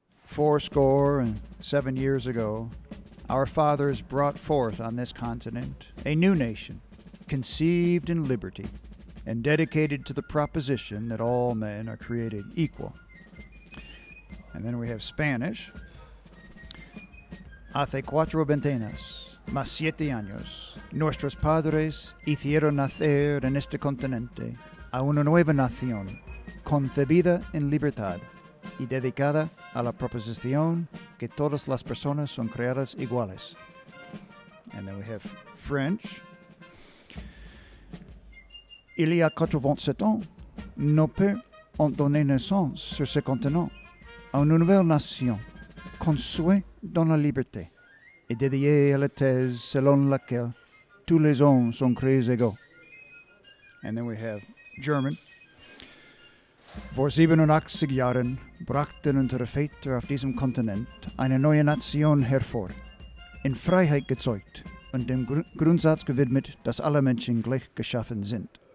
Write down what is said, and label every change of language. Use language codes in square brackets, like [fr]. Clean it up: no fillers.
[en] Fourscore and 7 years ago, our fathers brought forth on this continent a new nation, conceived in liberty and dedicated to the proposition that all men are created equal. And then we have Spanish. [es] Hace 4 ventenas, más 7 años, nuestros padres hicieron nacer en este continente a una nueva nación, concebida en libertad y dedicada a la proposición que todas las personas son creadas iguales. [en] And then we have French. [fr] Il y a 87 ans, nos pères ont donné naissance sur ce continent à une nouvelle nation, conçue dans la liberté et dédiée à la thèse selon laquelle tous les hommes sont créés égaux. [en] And then we have German. [de] Vor 87 Jahren brachten unsere Väter auf diesem Kontinent eine neue Nation hervor, in Freiheit gezeugt und dem Grundsatz gewidmet, dass alle Menschen gleich geschaffen sind.